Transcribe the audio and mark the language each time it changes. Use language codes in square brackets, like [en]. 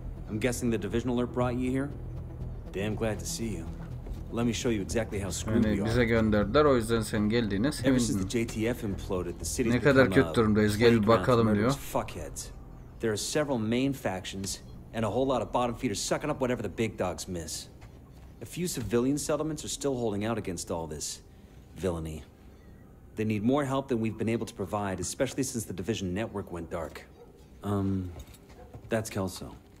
[en] I'm guessing the division alert brought you here. Damn glad to see you. Let me show you exactly how screwed we are. [tr] Bize gönderdiler, o yüzden sen geldiğine sevindim. [en] JTF imploded, the city's [tr] ne kadar kötü durumdayız, gel bakalım diyor. [en] Fuckheads. There are several main factions and a whole lot of bottom feeders sucking up whatever the big dogs miss. A few civilian settlements are still holding out against all this villainy. They need more help than we've been able to provide, especially since the division network went dark. That's Kelso.